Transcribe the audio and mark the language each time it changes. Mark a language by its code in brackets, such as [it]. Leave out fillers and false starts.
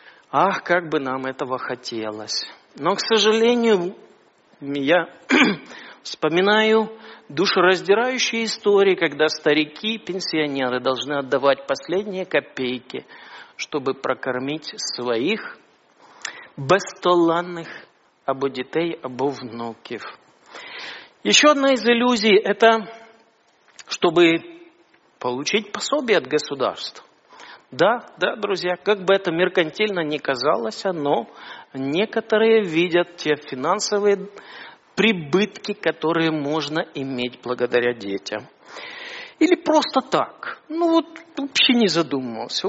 [ru] Ах, как бы нам этого хотелось. Но, к сожалению, я вспоминаю душераздирающие истории, когда старики, пенсионеры должны отдавать последние копейки, чтобы прокормить своих [uk] бестоланних або дітей, або внуків. І ще одна із ілюзій – це, щоб отримати [ru] пособие [uk] від [ru] государства. Да, да, друзья, как бы это меркантильно ни казалось, но некоторые видят те финансовые прибытки, которые можно иметь благодаря детям. Или просто так. Ну вот, вообще не задумывался.